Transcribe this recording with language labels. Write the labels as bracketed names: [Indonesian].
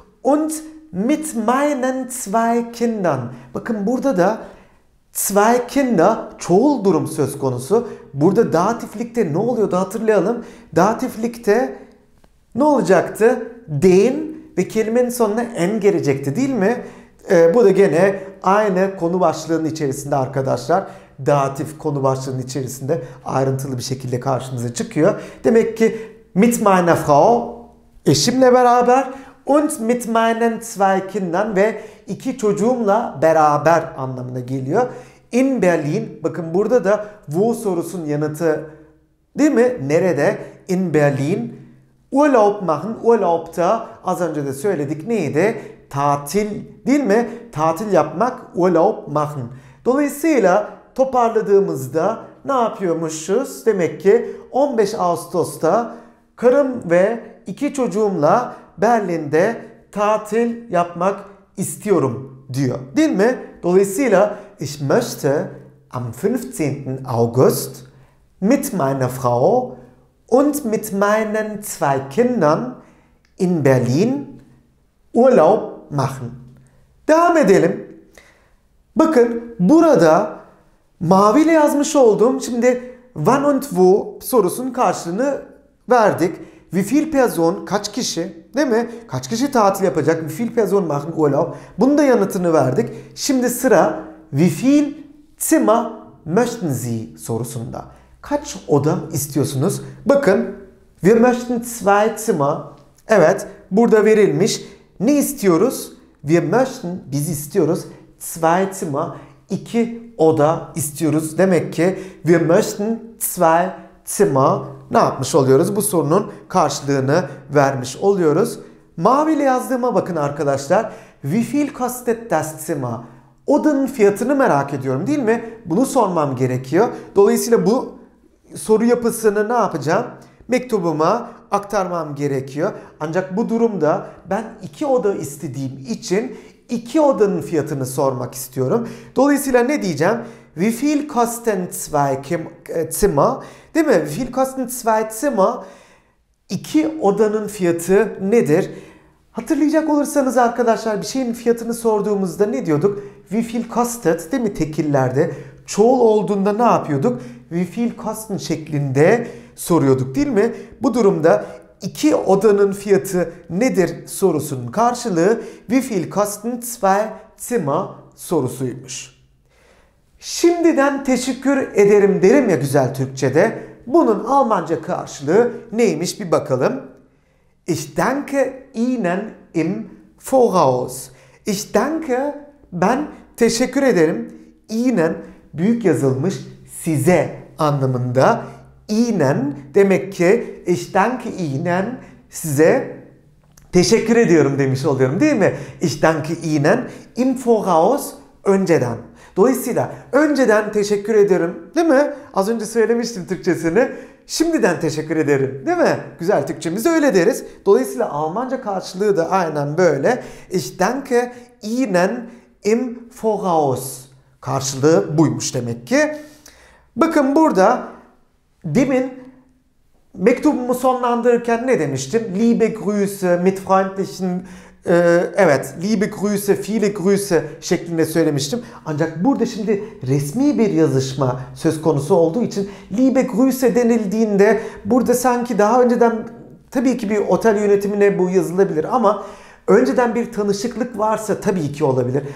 [German] Und mit meinen zwei Kindern. [Turkish] Bakın burada da zwei Kinder çoğul durum söz konusu. Burada datiflikte ne oluyordu hatırlayalım. Datiflikte ne olacaktı? Den ve kelimenin sonuna en gelecekti, değil mi? Bu da gene aynı konu başlığının içerisinde arkadaşlar. Datif konu başlığının içerisinde ayrıntılı bir şekilde karşımıza çıkıyor. Demek ki [German] mit meiner Frau [Turkish] eşimle beraber [German] und mit meinen zwei Kindern [Turkish] ve iki çocuğumla beraber anlamına geliyor. [German] In Berlin. [Turkish] Bakın burada da wo sorusun yanıtı değil mi? Nerede? [German] In Berlin. Urlaub machen. [Turkish] Urlaub da az önce de söyledik neydi? Tatil değil mi? Tatil yapmak. [German] Urlaub machen. [Turkish] Dolayısıyla toparladığımızda ne yapıyormuşuz? Demek ki 15 Ağustos'ta karım ve iki çocuğumla Berlin'de tatil yapmak istiyorum diyor. Değil mi? Dolayısıyla [German] ich möchte am 15. August mit meiner Frau und mit meinen zwei Kindern in Berlin Urlaub machen. [Turkish] Devam edelim. Bakın burada maviyle yazmış olduğum şimdi [German] wann und wo [Turkish] sorusunun karşılığını verdik. [German] Wie viel Person, [Turkish] kaç kişi, değil mi? Kaç kişi tatil yapacak? [German] Wie viel Person machen Urlaub? [Turkish] Bunun da yanıtını verdik. Şimdi sıra [German] wie viel Zimmer möchten Sie [Turkish] sorusunda. Kaç oda istiyorsunuz? Bakın, [German] wir möchten zwei Zimmer. [Turkish] Evet, burada verilmiş. Ne istiyoruz? [German] Wir möchten, [Turkish] biz istiyoruz. [German] Zwei Zimmer, [Turkish] iki oda istiyoruz. Demek ki [German] wir möchten zwei Zimmer. [Turkish] Ne yapmış oluyoruz? Bu sorunun karşılığını vermiş oluyoruz. Maviyle yazdığıma bakın arkadaşlar. [German] Wie viel kostet das Zimmer? [Turkish] Odanın fiyatını merak ediyorum değil mi? Bunu sormam gerekiyor. Dolayısıyla bu soru yapısını ne yapacağım? Mektubuma aktarmam gerekiyor. Ancak bu durumda ben iki oda istediğim için iki odanın fiyatını sormak istiyorum. Dolayısıyla ne diyeceğim? [German] Wie viel kosten zwei Zimmer? [Turkish] Değil mi? [German] Wie viel kosten zwei Zimmer? [Turkish] İki odanın fiyatı nedir? Hatırlayacak olursanız arkadaşlar bir şeyin fiyatını sorduğumuzda ne diyorduk? [German] Wie viel kostet [Turkish] değil mi tekillerde? Çoğul olduğunda ne yapıyorduk? [German] Wie viel kosten [Turkish] şeklinde soruyorduk değil mi? Bu durumda iki odanın fiyatı nedir sorusunun karşılığı [German] wie viel kosten zwei Zimmer [Turkish] sorusuymuş. Şimdiden teşekkür ederim derim ya güzel Türkçe'de. Bunun Almanca karşılığı neymiş bir bakalım. [German] Ich danke Ihnen im Voraus. Ich danke, [Turkish] ben teşekkür ederim. Ihnen, büyük yazılmış size anlamında. Ihnen, demek ki [German] ich danke Ihnen, [Turkish] size teşekkür ediyorum demiş oluyorum değil mi? [German] Ich danke Ihnen im Voraus, [Turkish] önceden. Dolayısıyla önceden teşekkür ederim değil mi? Az önce söylemiştim Türkçesini. Şimdiden teşekkür ederim değil mi? Güzel Türkçemiz öyle deriz. Dolayısıyla Almanca karşılığı da aynen böyle. [German] Ich danke Ihnen im Voraus. [Turkish] Karşılığı buymuş demek ki. Bakın burada demin mektubumu sonlandırırken ne demiştim? [German] Liebe Grüße mit freundlichen... [Turkish] evet, [German] liebe Grüße, viele Grüße [Turkish] şeklinde söylemiştim. Ancak burada şimdi resmi bir yazışma söz konusu olduğu için [German] liebe Grüße [Turkish] denildiğinde burada sanki daha önceden tabii ki bir otel yönetimine bu yazılabilir ama önceden bir tanışıklık varsa tabii ki olabilir.